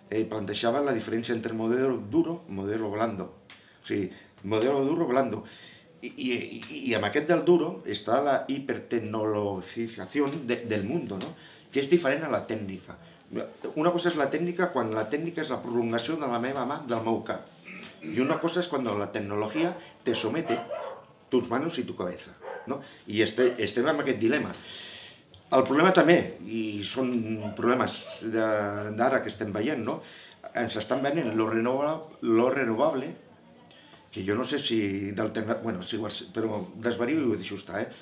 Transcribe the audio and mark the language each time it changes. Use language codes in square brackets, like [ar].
[ca] Plantejava la diferència entre modelo duro i modelo blando. O sigui, modelo duro, blando. I amb aquest del duro està la hipertecnologización del mundo, no? Que és diferent a la tècnica. Una cosa és la tècnica quan la tècnica és la prolongació de la meva mà del meu cap. [es] Y una cosa es cuando la tecnología te somete tus manos y tu cabeza, ¿no? [ca] Y estem amb aquest dilema. El problema també, i són problemes d'ara que estem veient, no? Ens estan venent lo renovable, que jo no sé si d'alternativa, bueno, sí, però desvarío i ho deixo estar, eh?